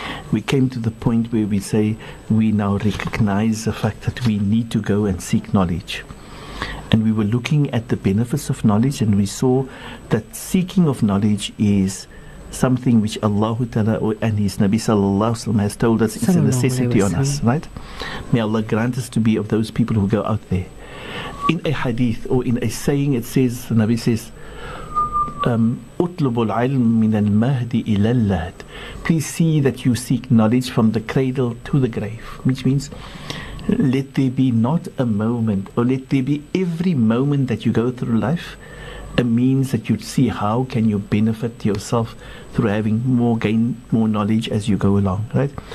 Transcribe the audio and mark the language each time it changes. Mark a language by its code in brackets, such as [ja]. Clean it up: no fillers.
[en] We came to the point where we say we now recognize the fact that we need to go and seek knowledge. And we were looking at the benefits of knowledge, and we saw that seeking of knowledge is something which Allah Ta'ala and His Nabi Sallallahu Alaihi Wasallam has told us is a necessity on us, right? May Allah grant us to be of those people who go out there. In a hadith or in a saying, it says, the Nabi says, [ar] أطلب العلم من المهدي إلى اللهد. [en] Please see that you seek knowledge from the cradle to the grave, which means let there be not a moment, or let there be every moment that you go through life a means that you see how can you benefit yourself through having more gain, more knowledge as you go along, right?